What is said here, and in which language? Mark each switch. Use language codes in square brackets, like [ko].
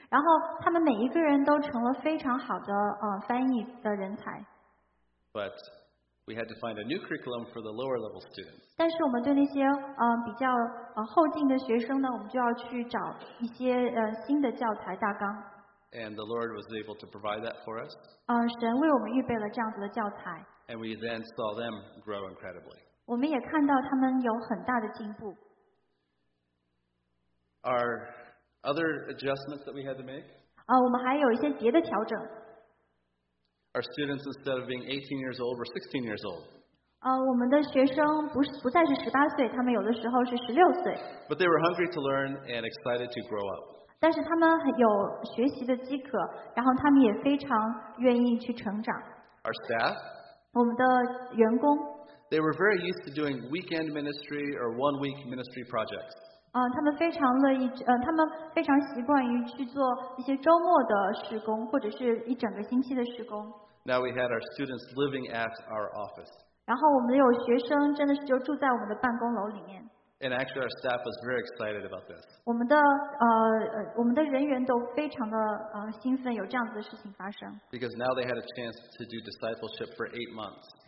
[zh] 然后他们每一个人都成了非常好的翻译的人才。 [en] But we had to find a new curriculum for the lower level students. [zh] 但是我们对那些比较后进的学生呢，我们就要去找一些新的教材大纲。 [en] And the Lord was able to provide that for us. [zh] 神为我们预备了这样子的教材。 [en] And we then saw them grow incredibly. [zh] 我们也看到他们有很大的进步。 [en] Our other adjustments that we had to make. [zh] 我们还有一些别的调整。 [en] Our students instead of being 18 years old were 16 years old. [zh] 我们的学生不再是十八岁，他们有的时候是十六岁。 [en] But they were hungry to learn and excited to grow up. [zh] 但是他们有学习的饥渴，然后他们也非常愿意去成长。 [en] Our staff. [zh] 我们的员工。 [en] They were very used to doing weekend ministry or one-week ministry projects. [zh] 他们非常乐意，他们非常习惯于去做一些周末的事工，或者是一整个星期的事工。 [en] Now we had our students living at our office. [zh] 然后我们有学生真的是就住在我们的办公楼里面。 [en] And actually, our staff was very excited about this. [zh] 我们的人员都非常的兴奋，有这样子的事情发生。 [en] Because now they had a chance to do discipleship for 8 months.